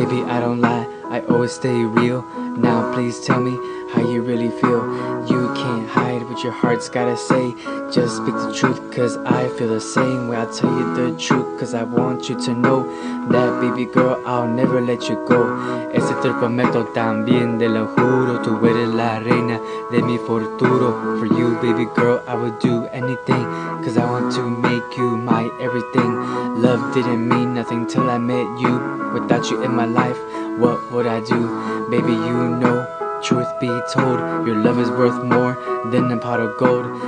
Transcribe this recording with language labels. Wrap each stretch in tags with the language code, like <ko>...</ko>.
<en>Baby, I don't lie, I always stay real. Now please tell me how you really feel. You can't hide what your heart's gotta say. Just speak the truth, cause I feel the same way. I'll tell you the truth, cause I want you to know that, baby girl, I'll never let you go.</en> <es>Ese te prometo también, te lo juro. Tú eres la reina de mi futuro.</es> <en>For you, baby girl, I would do anything, cause I want to make you my everything. Love didn't mean nothing till I met you. Without you in my life, what would I do? Baby, you know, truth be told, your love is worth more than a pot of gold.</en>